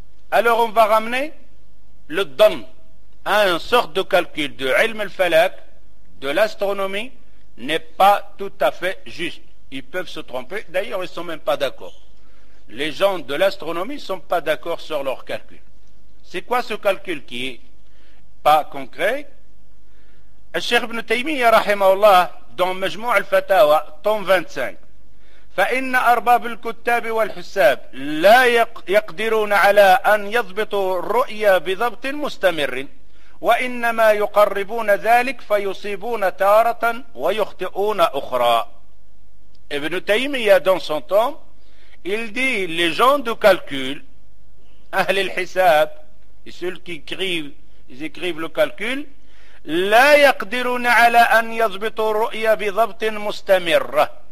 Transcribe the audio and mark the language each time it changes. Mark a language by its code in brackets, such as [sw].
[fr] Alors on va ramener le don à une sorte de calcul de ilm al-falak, de l'astronomie, n'est pas tout à fait juste. Ils peuvent se tromper, d'ailleurs ils ne sont même pas d'accord. Les gens de l'astronomie ne sont pas d'accord sur leur calcul. C'est quoi ce calcul qui n'est pas concret? [ar] الشيخ ابن تيمية رحمه الله دون مجموع الفتاوى طوم 25 فإن أرباب الكتاب والحساب لا يقدرون على أن يضبطوا الرؤيا بضبط مستمر وإنما يقربون ذلك فيصيبون تارة ويخطئون أخرى. [fr] ابن تيمية دون son طوم il dit les gens de calcul [ar] أهل الحساب [fr] ceux qui écrivent, ils écrivent le calcul, [ar] لَا يَقْدِرُونَ عَلَىٰ أَنْ يَضْبِطُوا الرُّؤْيَا بِضَبْطٍ مُسْتَمِرَّ.